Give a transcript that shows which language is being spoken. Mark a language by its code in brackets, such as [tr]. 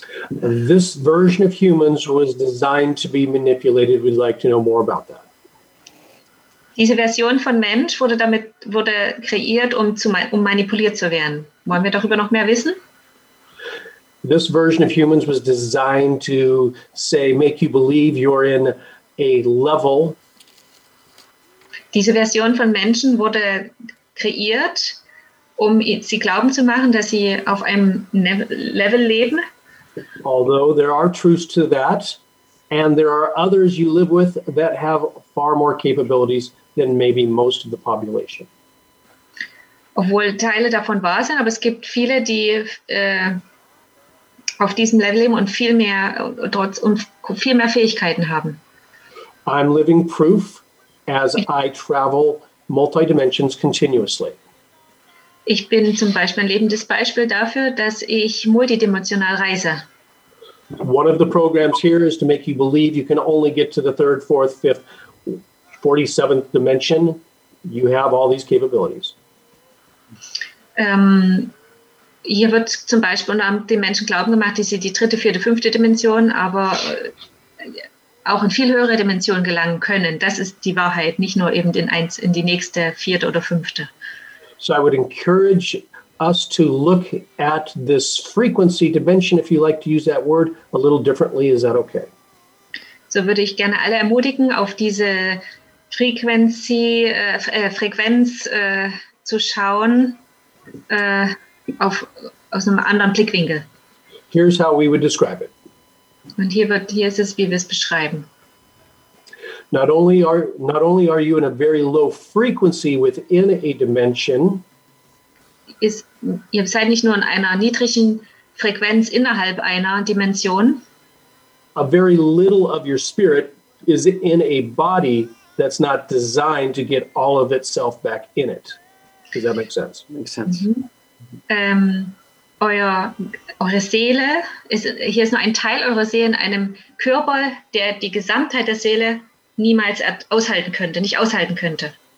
[en] This version of humans was designed to be manipulated. We'd like to know more about that. [de] Diese Version von Mensch wurde kreiert, um manipuliert zu werden. Wollen wir darüber noch mehr wissen? [en] This version of humans was designed to say, make you believe you're in a level. [de] Diese Version von Menschen wurde kreiert, um sie glauben zu machen, dass sie auf einem Level leben. [en] Although there are truths to that, and there are others you live with that have far more capabilities than maybe most of the population. [de] Obwohl Teile davon wahr sind, aber es gibt viele, die auf diesem Level leben und viel mehr Fähigkeiten haben. [en] I'm living proof. As I travel multi-dimensions continuously. [de] Ich bin zum Beispiel ein lebendes Beispiel dafür, dass ich multidimensional reise. [en] One of the programs here is to make you believe you can only get to the third, fourth, fifth, 47th dimension. You have all these capabilities. [de] Hier wird zum Beispiel den Menschen glauben gemacht, dass sie die dritte, vierte, fünfte Dimension, aber auch in viel höhere Dimensionen gelangen können. Das ist die Wahrheit, nicht nur eben in die nächste, vierte oder fünfte. [en] So I would encourage us to look at this frequency dimension, if you like to use that word, a little differently. Is that okay? [de] So würde ich gerne alle ermutigen, auf diese Frequenz zu schauen, aus einem anderen Blickwinkel. [en] Here's how we would describe it. [de] Und hier ist es, wie wir es beschreiben. [en] Not only are you in a very low frequency within a dimension. [de] Ihr seid nicht nur in einer niedrigen Frequenz innerhalb einer Dimension. [en] A very little of your spirit is in a body that's not designed to get all of itself back in it. Does that make sense? Makes sense. Mm-hmm. [de] eure Seele ist, hier ist nur ein Teil eurer Seele in einem Körper, der die Gesamtheit der Seele niemals aushalten könnte, nicht aushalten könnte.